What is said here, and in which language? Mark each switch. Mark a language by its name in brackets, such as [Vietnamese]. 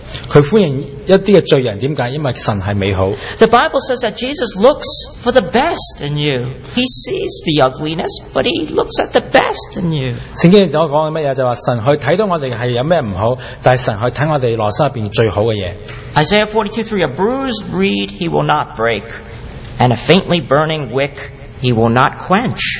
[Chinese] 他欢迎一些罪人,为什么? 因为神是美好。 [English] The Bible says that Jesus looks for the best in you. He sees the ugliness, but He looks at the best in you. [Chinese] 圣经里面说的什么? 就说神去看到我们是有什么不好,但是神去看我们内心里面最好的东西。 [English] Isaiah 42:3, a bruised reed He will not break, and a faintly burning wick He will not quench.